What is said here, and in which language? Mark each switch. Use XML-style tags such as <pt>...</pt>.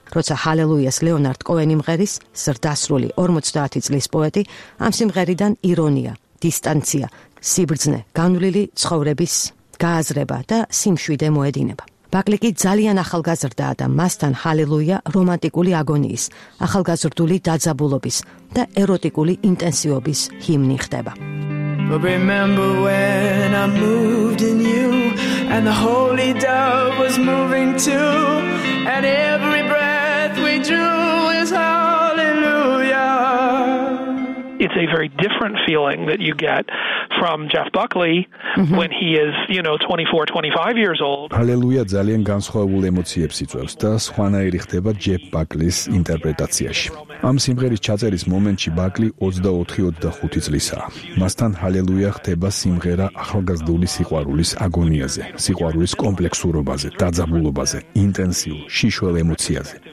<ka>როცა ჰალელუიას ლეონარდ კოენი მღერის, ზრდასრული 50 წლის პოეტი ამ სიმღერიდან ირონია, დისტანცია, სიბრძნე, განვლილი ცხოვრების გააზრება და სიმშვიდე მოედინება. ბაკლი კი ძალიან ახალგაზრდაა და მასთან ჰალელუია რომანტიკული აგონიის, ახალგაზრდული დაძაბულობის და ეროტიკული ინტენსივობის ჰიმნი ხდება.</ka> <en>But remember when I moved in you and the holy dove was moving too and every breath we drew is hallelujah. It's a very different feeling that you get from Jeff Buckley when he is, you know, 24, 25 years old.</en> <ka>Hallelujah ძალიან განსხვავებულ ემოციებს იწვევს და სხვანაირი ხდება Jeff Buckley's ინტერპრეტაციაში. ამ სიმღერის ჩაწერის მომენტში ბაკლი 24-25 წლისაა. მასთან ჰალელუია ხდება სიმღერა ახალგაზრდული სიყვარულის აგონიაზე, სიყვარულის კომპლექსურობაზე, დაძაბულობაზე, ინტენსიურ, შიშველ ემოციაზე.</ka>